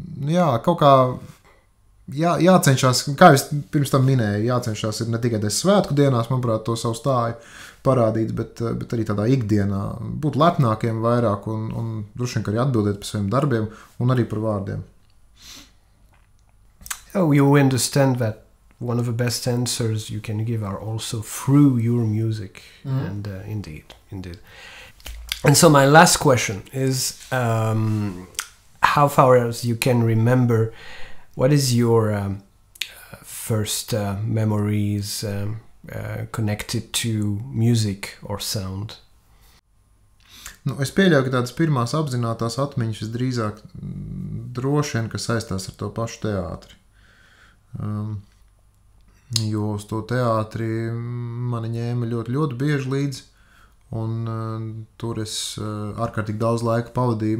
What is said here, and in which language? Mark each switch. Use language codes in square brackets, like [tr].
[lv] jā, kaut kā jācenšās, kā es pirms tam minēju, jācenšās ir ne tikai tās svētku dienās, manuprāt, to savu stāju parādīt, bet arī tādā ikdienā būt lepnākiem vairāk un droši vien arī atbildēt par saviem darbiem un arī par vārdiem. [en] Oh, you understand that one of the best answers you can give are also through your music. Mm. And indeed. And so my last question is how far as you can remember, what is your first memories connected to music or sound? [lv] Nu, es pieļauju, ka tādas pirmās apzinātās atmiņas visdrīzāk droši vien, ka saistās ar to pašu teātri. Jo uz to teātri mani ņēma ļoti, ļoti bieži līdz, un tur es ārkārtīgi daudz laika pavadīju.